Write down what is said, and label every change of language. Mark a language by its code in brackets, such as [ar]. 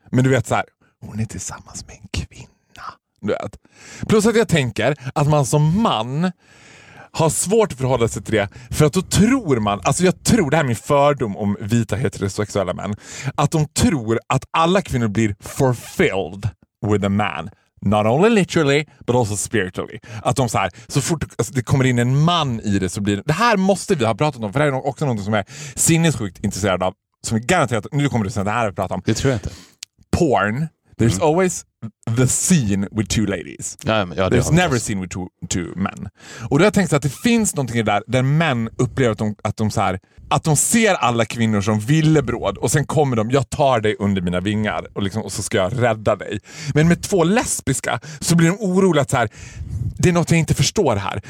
[sv] Men du vet så här, hon är tillsammans med en kvinna. Du vet. Plus att jag tänker att man som man... har svårt att förhålla sig till det. För att då tror man... Alltså jag tror, det här är min fördom om vita heterosexuella män. Att de tror att alla kvinnor blir [en] fulfilled with a man. Not only literally, but also spiritually. [sv] Att de så här... Så fort det kommer in en man i det så blir... Det här måste vi ha pratat om. För det här är också något som jag är sinnessjukt intresserad av. Som är garanterat... Nu kommer du sen det här att prata om. Det tror jag inte. [en] Porn. There's always... the scene with two ladies. [sv] Ja, [en] there's never seen with two men. [sv] Och då har jag tänkt att det finns någonting där män upplever att de ser alla kvinnor som villebråd och sen kommer de, jag tar dig under mina vingar och, liksom, och så ska jag rädda dig. Men med två lesbiska så blir de oroliga att så här, det är något jag inte förstår här.